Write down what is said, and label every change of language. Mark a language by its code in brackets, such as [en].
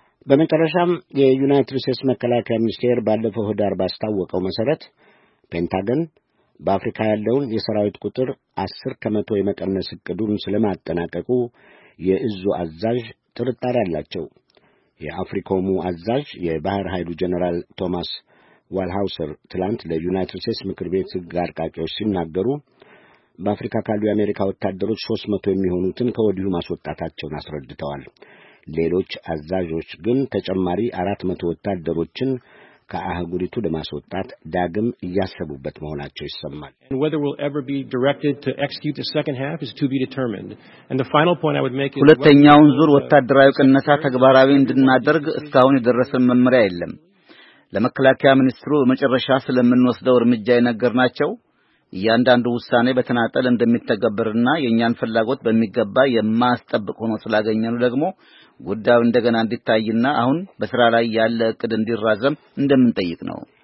[am] በመጨረሻም የዩናይትድ ስቴትስ መከላከያ ሚኒስቴር ባለፈው ህዳር ባስታወቀው መሰረት ፔንታገን በአፍሪካ ያለውን የሰራዊት ቁጥር 10% የመቀነስ እቅዱን ስለማጠናቀቁ የእዙ አዛዥ ጥርጣሬ አላቸው። የአፍሪኮሙ አዛዥ የባህር ኃይሉ ጀነራል ቶማስ ዋልሃውሰር ትላንት ለዩናይትድ ስቴትስ ምክር ቤት ህግ አርቃቂዎች ሲናገሩ በአፍሪካ ካሉ የአሜሪካ ወታደሮች 300 የሚሆኑትን ከወዲሁ ማስወጣታቸውን አስረድተዋል። ሌሎች አዛዦች ግን ተጨማሪ 400 ወታደሮችን ከአህጉሪቱ ለማስወጣት ዳግም እያሰቡበት መሆናቸው ይሰማል። [en] And whether we'll ever be directed to execute the second half is to be determined. And the final point I would make is [am] ሁለተኛውን ዙር ወታደራዊ ቅነሳ ተግባራዊ እንድናደርግ እስካሁን የደረሰን መመሪያ የለም። ለመከላከያ ሚኒስትሩ መጨረሻ ስለምንወስደው እርምጃ ይነገርናቸው ያንዳንዱ ውሳኔ በተናጠል እንደሚተገበርና የኛን ፍላጎት በሚገባ የማስጠብቅ ሆኖ ስለገኘነ ደግሞ ጉዳዩ እንደገና እንዲታይና አሁን በስራ ላይ ያለ እቅድ እንዲራዘም እንደምንጠይቅ ነው።